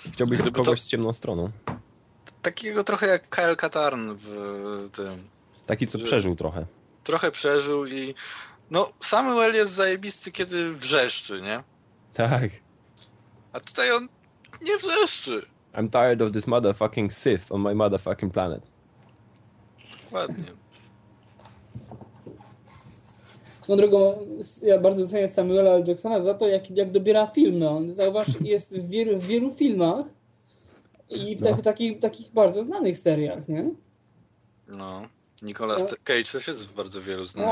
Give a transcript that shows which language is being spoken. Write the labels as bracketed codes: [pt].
[pl] Chciałbyś sobie kogoś to... z ciemną stroną? Takiego trochę jak Kyle Katarn w tym. Taki, co przeżył trochę. Trochę przeżył i no, Samuel jest zajebisty, kiedy wrzeszczy, nie? Tak. A tutaj on nie wrzeszczy. [en] I'm tired of this motherfucking Sith on my motherfucking planet. [pl] Dokładnie. No drogą, ja bardzo cenię Samuela L. Jacksona za to, jak dobiera filmy. On, zauważ, jest w wielu filmach i w takich bardzo znanych seriach, nie? No, Nicolas Cage też jest w bardzo wielu znanych